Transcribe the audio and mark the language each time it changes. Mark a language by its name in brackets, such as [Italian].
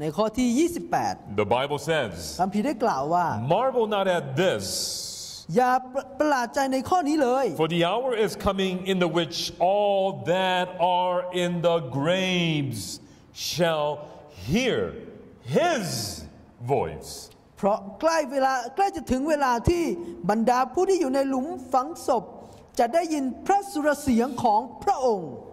[Thai] ในข้อที่28 [English] The Bible says [Thai] คัมภีร์ได้กล่าวว่า [English] Marvel not at this [Thai] อย่าประหลาดใจในข้อนี้เลย [English] For the hour is coming in the which all that are in the graves shall hear his voice [Thai] เพราะใกล้เวลาใกล้จะถึงเวลาที่บรรดาผู้ที่อยู่ในหลุมฝังศพจะได้ยินพระสุรเสียงของพระองค์